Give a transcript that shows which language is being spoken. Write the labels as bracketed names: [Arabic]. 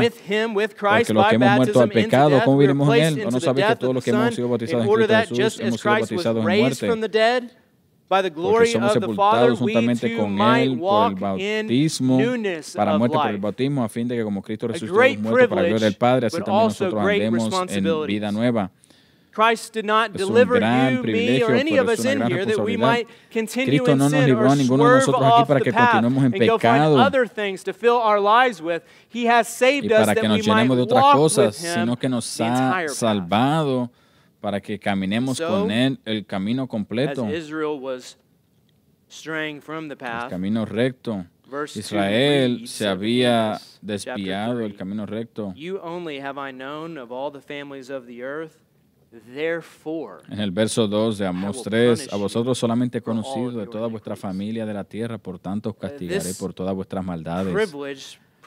[Spanish] Porque los que hemos muerto al pecado, ¿cómo viviremos en Él? ¿O no sabes que todos los que hemos sido bautizados en Cristo Jesús hemos sido bautizados en muerte? Porque somos sepultados juntamente con Él por el bautismo, para muerte por el bautismo, a fin de que como Cristo resucitó de los muertos para la gloria del Padre, así también nosotros andemos en vida nueva. [English] Christ did not deliver you, me, or any of us in here that we might continue in sin or swerve off the path and go find other things to fill our lives with. He has saved us that we might walk with Him the entire path. [Spanish] Salvado para que caminemos con Él el camino completo. [English] As Israel was straying from the path, [Spanish] el camino recto. Israel se había desviado el camino recto. [English] You only have I known of all the families of the earth. [Spanish] En el verso 2 de Amós 3, a vosotros solamente he conocido de toda vuestra familia de la tierra, por tanto os castigaré por todas vuestras maldades.